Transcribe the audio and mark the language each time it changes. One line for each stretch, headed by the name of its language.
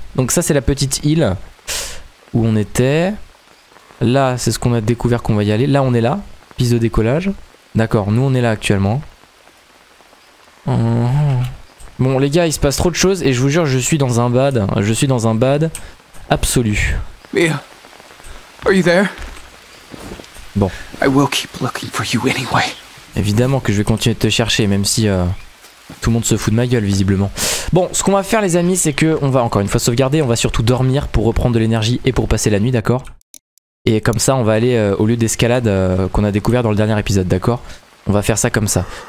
French: Donc ça c'est la petite île où on était. Là c'est ce qu'on a découvert qu'on va y aller. Là on est là, piste de décollage. D'accord, nous on est là actuellement. Oh. Bon les gars, il se passe trop de choses et je vous jure je suis dans un bad. Je suis dans un bad absolu.
English: Mia, are you there?
French: Bon.
English: I will keep looking for you anyway.
French: Évidemment que je vais continuer de te chercher même si... Tout le monde se fout de ma gueule visiblement. Bon, ce qu'on va faire les amis, c'est que on va encore une fois sauvegarder, on va surtout dormir pour reprendre de l'énergie et pour passer la nuit, d'accord? Et comme ça on va aller au lieu d'escalade qu'on a découvert dans le dernier épisode, d'accord? On va faire ça comme ça.